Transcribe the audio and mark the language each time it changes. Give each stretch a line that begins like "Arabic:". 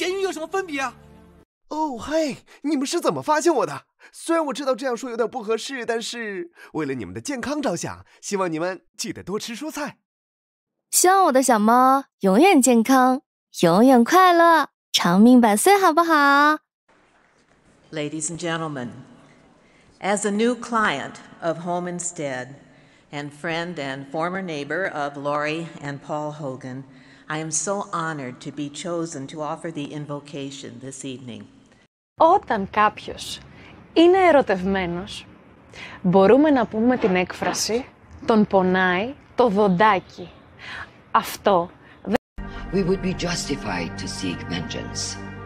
English: Oh, hey,
Chinese: 你们是怎么发现我的？虽然我知道这样说有点不合适，但是为了你们的健康着想，希望你们记得多吃蔬菜。希望我的小猫永远健康，永远快乐。长命百岁好不好?
English: Ladies and gentlemen, as a new client of Home Instead and friend and former neighbor of Lori and Paul Hogan, I am so honored to be chosen to offer the invocation this evening.
Greek: Όταν κάποιος είναι ερωτευμένος, μπορούμε να πούμε την έκφραση «τον πονάει το δοντάκι». Αυτό.
English: We would be justified to seek vengeance.